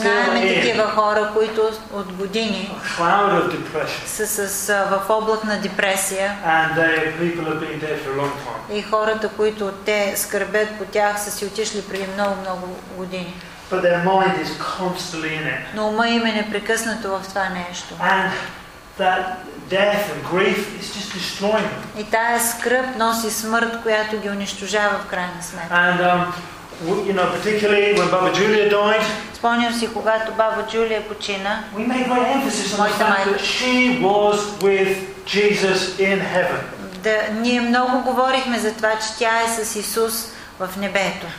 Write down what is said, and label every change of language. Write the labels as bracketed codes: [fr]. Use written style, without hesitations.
[bg] Знаеме такива хора, които от години са в облак на депресия. [en] And people have been there for a long time. [bg] И хората, които те скърбят по тях, са си отишли преди много години. [en] But their mind is constantly in it. [bg] Но ума им е непрекъснато в това нещо. [en] And that death and grief is just destroying them. [bg] И тая скръп носи смърт, която ги унищожава в крайна сметка. [en] And you know, particularly when Baba Julia died. [bg] Спомням си, когато Баба Джулия почина. [en] We made great emphasis on the fact that she was with Jesus in heaven. [bg] Да, ние много говорихме за това, че тя е с Исус в небето.